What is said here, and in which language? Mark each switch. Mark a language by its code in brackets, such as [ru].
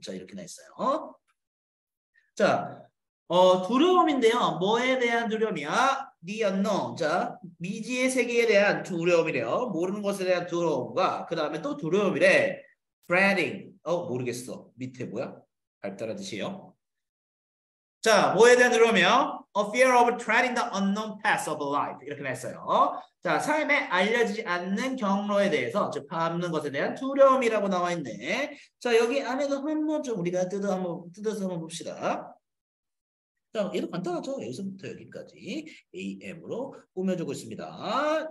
[ko] 자, 이렇게 나 있어요. 자, 두려움인데요. 뭐에 대한 두려움이야? [en] The unknown. [ko] 자, 미지의 세계에 대한 두려움이래요. 모르는 것에 대한 두려움과 그 다음에 또 두려움이래. fretting. 모르겠어. 밑에 뭐야? 발달하듯이요. 자, 뭐에 대한 두려움이요? [en] A fear of treading the unknown path of life. [ko] 이렇게 했어요. 자, 삶에 알려지지 않는 경로에 대해서, 즉, 밟는 것에 대한 두려움이라고 나와 있네. 자, 여기 안에도 한번좀 우리가 뜯어서 한번 봅시다. 자, 얘도 간단하죠? 여기서부터 여기까지 AM으로 꾸며주고 있습니다.